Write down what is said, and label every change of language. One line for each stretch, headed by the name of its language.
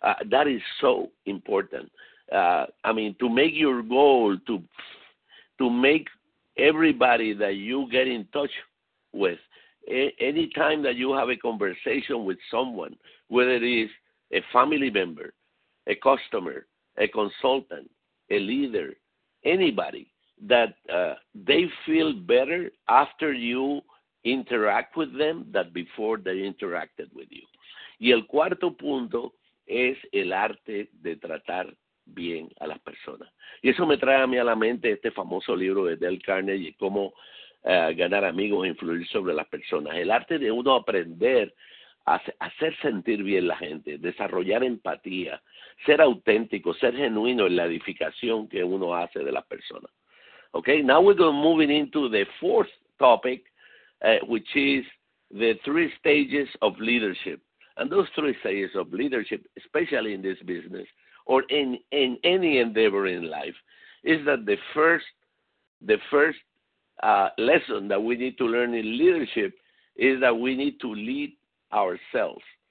English: That is so important. I mean, to make your goal to make everybody that you get in touch with, any time that you have a conversation with someone, whether it is a family member, a customer, a consultant, a leader, anybody, that they feel better after you interact with them than before they interacted with you.
Spanish: Y el cuarto punto es el arte de tratar bien a las personas. Y eso me trae a mí a la mente este famoso libro de Dale Carnegie, cómo ganar amigos e influir sobre las personas. El arte de uno aprender a hacer sentir bien la gente, desarrollar empatía, ser auténtico, ser genuino en la edificación que uno hace de las personas.
English: Okay, now we're going moving into the fourth topic, which is the three stages of leadership. And those three stages of leadership, especially in this business or in any endeavor in life, is that the first lesson that we need to learn in leadership is that we need to lead ourselves.